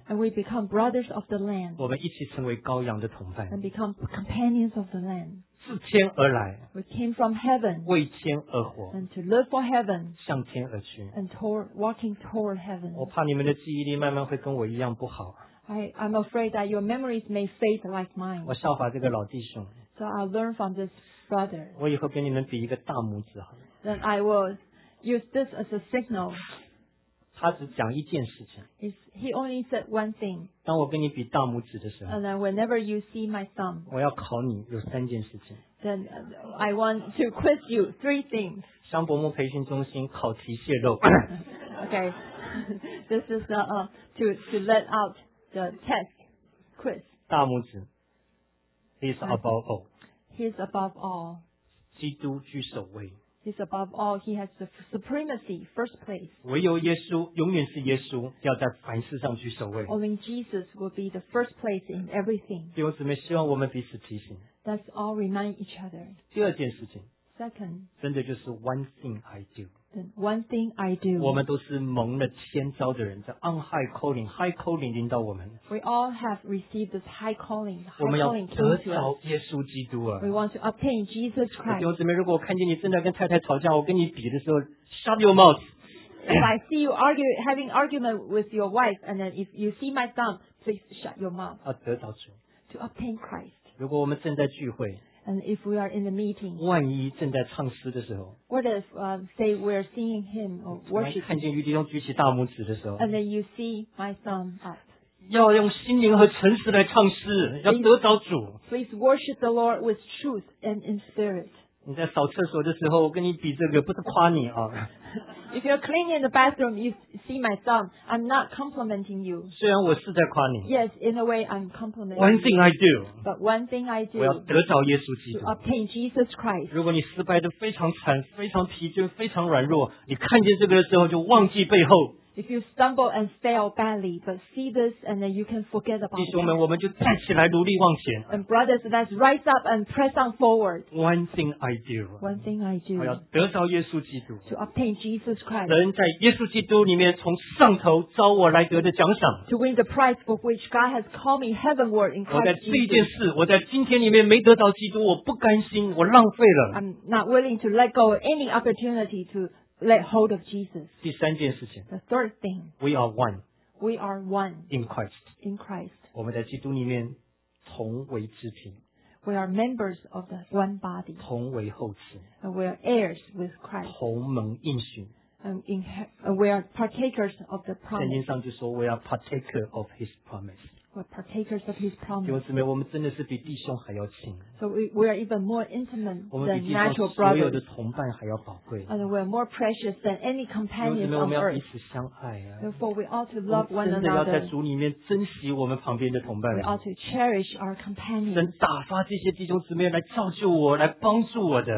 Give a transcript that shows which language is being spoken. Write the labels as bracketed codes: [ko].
[en] And we become brothers of the land. [zh] 我们一起成为羔羊的同伴。 [en] And become companions of the land. [zh] 自天而来。 [en] We came from heaven. [zh] 为天而活。 [en] And to live for heaven. [zh] 向天而去。 [en] And walking toward heaven. [zh] 我怕你们的记忆力慢慢会跟我一样不好。 [en] I'm afraid that your memories may fade like mine. [zh] 我效法这个老弟兄。 [en] So I'll learn from this brother. [zh] 我以后给你们比一个大拇指好了。 [en] Then I will use this as a signal. [zh] 他只讲一件事情。 [en] He only said one thing. [zh] 当我跟你比大拇指的时候, [en] and then whenever you see my thumb, [zh] 我要考你有三件事情。 [en] Then I want to quiz you three things. [zh] 香伯木培训中心考题泄露。 [en] Okay, this is to let out the test quiz. [zh] 大拇指, [en] He's above all. He's above all. [zh] 基督居首位。 [en] He's above all. He has the supremacy, first place. [zh] 唯有耶稣, 永远是耶稣, 要在凡事上去守卫。 [en] Only Jesus will be the first place in everything. [zh] 弟兄姊妹, 希望我们彼此提醒。 [en] Let's all remind each other. [zh] 第二件事情, [en] second, [zh] 真的就是 [en] one thing I do. One thing I do. [zh] 我们都是蒙了天召的人, 在 [en] on high calling, high calling [zh] 临到我们。 [en] We all have received this high calling, high calling came to us. [zh] 我们要得着耶稣基督。 [en] We want to obtain Jesus Christ. [zh] 弟兄姊妹，如果我看见你正在跟太太吵架, 我跟你比的时候, [en] shut your mouth. If I see you having argument with your wife, and then if you see my thumb, please shut your mouth. [zh] 要得着主。 [en] to obtain Christ. [zh] 如果我们正在聚会。 [en] And if we are in the meeting, [zh] 万一正在唱诗的时候 [en] what if, say we are singing hymn or worshiping, [zh] 看见余弟兄举起大拇指的时候 [en] and then you see my thumb up, [zh] 要用心灵和诚实来唱诗 [en] please, [zh] 要得着主 [en] please worship the Lord with truth and in spirit. [zh] 你在扫厕所的时候我跟你比这个不是夸你啊 [en] if you're cleaning the bathroom, you see my thumb, I'm not complimenting you. [zh] 虽然我是在夸你 [en] Yes, in a way, I'm complimenting you. One thing I do. But one thing I do. [zh] 我要得着耶稣基督 [en] To obtain Jesus Christ. [zh] 如果你失败得非常惨非常疲倦非常软弱你看见这个的时候就忘记背后 [en] If you stumble and fail badly, but see this and then you can forget about it. [zh] 弟兄们我们就站起来努力往前 [en] And brothers, let's rise up and press on forward. One thing I do. One thing I do. [zh] 我要得着耶稣基督 [en] To obtain Jesus Christ. [zh] Christ, 在耶稣基督里面从上头招我来得的奖赏 [en] to win the prize for which God has called me heavenward in Christ Jesus [zh] 我在这一件事我在今天里面没得到基督我不甘心我浪费了 [en] I'm not willing to let go of any opportunity to let hold of Jesus [zh] 第三件事情 [en] the third thing We are one in Christ [zh] 我们在基督里面同为肢体 [en] We are members of the one body [zh] 同为后嗣 [en] We are heirs with Christ [zh] 同蒙应许 [en] We are partakers of the promise. [zh] 圣经上就说 [en] We are partakers of his promise. We are partakers of his promise. [zh] 弟兄姊妹我们真的是比弟兄还要亲。 [en] So we are even more intimate than natural brothers. [zh] 我们比弟兄所有的同伴还要宝贵。 [en] And we are more precious than any companion on earth. [zh] 弟兄姊妹我们要彼此相爱啊。 [en] Therefore we ought to love one another. [zh] 真的要在主里面珍惜我们旁边的同伴。 [en] We ought to cherish our companions. [zh] 神打发这些弟兄姊妹来造就我来帮助我的。